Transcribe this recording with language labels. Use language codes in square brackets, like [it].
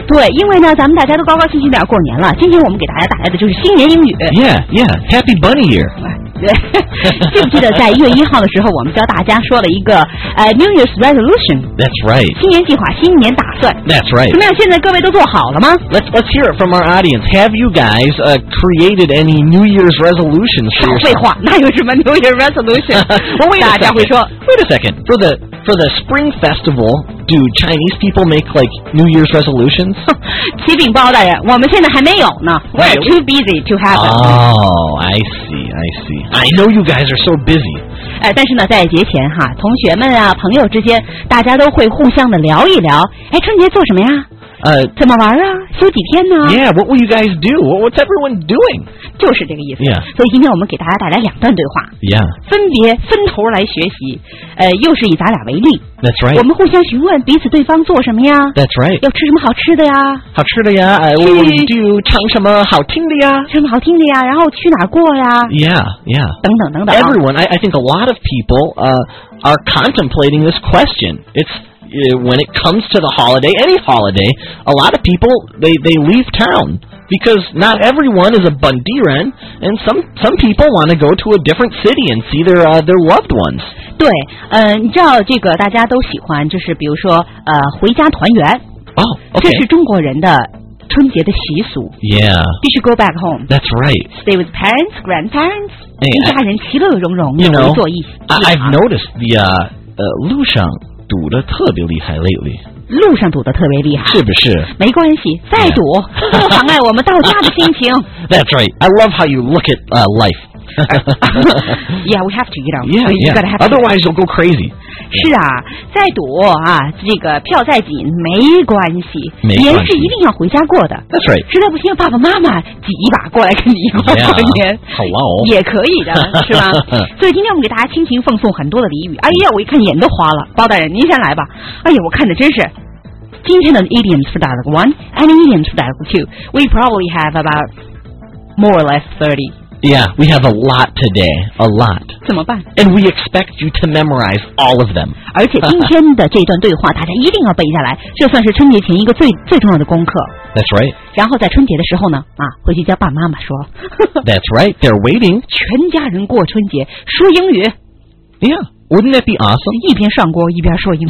[zh] 对，因为呢，咱们大家都高高兴兴的过年了。今天我们给大家带来的就是新年英语。 [en] Yeah, yeah, Happy Bunny Year. [zh] 记不记得在1月1号的时候我们教大家说了一个New Year's Resolution? [en] That's right. [zh] 新年计划，新年打算。 [en] That's right. [zh] 怎么样，现在各位都做好了吗？ [en] Let's hear it from our audience. Have you guys created any New Year's resolutions for yourself? [zh] 少废话，哪有什么 New Year's resolution? [en] Well, wait a second. [zh] 大家会说 [en] Wait a second. For the Spring Festival, do Chinese people make like New Year's resolutions? [zh] 启禀包大人，我们现在还没有呢。 [en] We're too busy to have them. Oh, I see, I see. I know you guys are so busy. [zh] 但是呢，在节前哈，同学们啊，朋友之间，大家都会互相的聊一聊。哎，春节做什么呀？怎么玩啊？休几天呢？ [en] Yeah, what will you guys do? What's everyone doing? [zh] 就是这个意思。 [en] Yeah. [zh] 所以今天我们给大家带来两段对话。 [en] Yeah. [zh] 分别分头来学习，又是以咱俩为例。 [en] That's right. [zh] 我们互相询问彼此对方做什么呀？ [en] That's right. [zh] 要吃什么好吃的呀？好吃的呀。 [en] What will you do? [zh] 尝什么好听的呀？什么好听的呀？然后去哪儿过呀？ [en] Yeah, yeah. [zh] 等等等等。 [en] Everyone, I think a lot of people, are contemplating this question. It's... when it comes to the holiday, any holiday, a lot of people, they leave town. Because not everyone is a Bundiren, and some people want to go to a different city and see their loved ones. [zh] 对，你知道这个大家都喜欢，就是比如说，回家团圆。 [en] Oh, okay. [zh] 这是中国人的春节的习俗。 [en] Yeah. [zh] 必须 [en] go back home. That's right. Stay with parents, grandparents, hey, [zh] 一家人其乐融融的回坐一 [en] 起。I've noticed the, Lu Sheng. [zh] 堵得特别厉害 [en] lately [zh] 路上堵得特别厉害是不是没关系再堵、 [en] yeah. [zh] 不妨碍我们到家的心情 [en] That's right I love how you look at life Yeah we have to you know yeah, yeah. You gotta have to. Otherwise you'll go crazy [zh] 是啊再堵啊这个票再紧没关系没关系年是一定要回家过的 [en] That's right [zh] 实在不行爸爸妈妈挤一把过来跟你一块过年 [en] Hello [zh] 也可以的是吧所以今天我们给大家倾情奉送很多的俚语哎呀我一看眼都花了包大人您先来吧哎呀我看的真是今天的 [en] idioms for dialogue 1 and idioms for dialogue 2 we probably have about more or less 30 Yeah, we have a lot today, a lot. [zh] 怎么办? [en] And we expect you to memorize all of them. [zh] 而且今天的这段对话大家一定要背下来，这算是春节前一个最最重要的功课。 [en] That's right. [zh] 然后在春节的时候呢，啊，回去叫爸妈妈说。 [en] That's right, they're waiting. [zh] 全家人过春节，说英语。 [en] Yeah, wouldn't that be awesome? [zh] 一边上锅一边说英语。